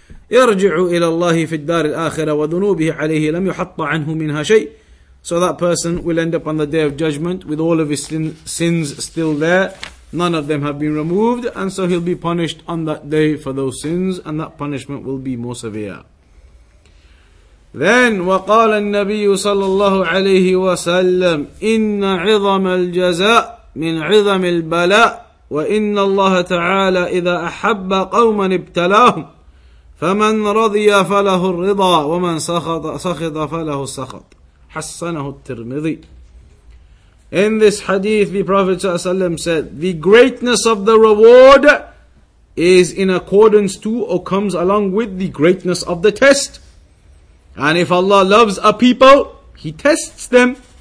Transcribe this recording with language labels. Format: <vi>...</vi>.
<ar>يَرْجِعُ إِلَى اللَّهِ فِي الدَّارِ الْآخِرَةِ وَذُنُوبِهِ عَلَيْهِ لَمْ يُحَطَّ عَنْهُ مِنْهَا شَيْءٍ.</ar> <en>So that person will end up on the day of judgment with all of his sins still there. None of them have been removed, and so he'll be punished on that day for those sins, and that punishment will be more severe.</en> <ar>Then, وقال النبي صلى الله عليه وسلم إن عظم الجزاء من عظم البلاء وإن الله تعالى إذا أحب قوما ابتلاهم فمن رضي فله الرضا ومن سخط فله السخط. حسنه الترمذي.</ar> <en>In this hadith, the Prophet ﷺ said, the greatness of the reward is in accordance to or comes along with the greatness of the test. And if Allah loves a people, He tests them.</en>